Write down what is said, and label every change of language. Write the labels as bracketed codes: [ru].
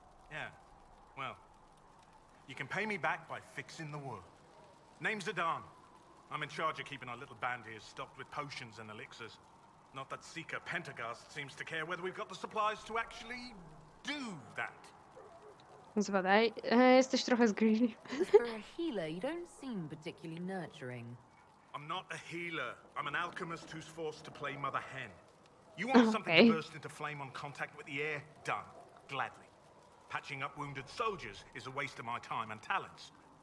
[en] Yeah, well, you can pay me back by fixing the wood. Name's Adan. I'm in charge of keeping our little band here stocked with potions and elixirs. Not that Seeker Pentagast seems to care whether we've got the supplies to actually do that. [pl] Zbadaj, jesteś trochę zgryźli. [en] For a healer, you don't seem particularly nurturing. I'm not a healer. I'm an alchemist who's forced to play Mother Hen. You want something to burst into flame on contact with the air? Done. Gladly. Patching up wounded soldiers is a waste of my time and talents.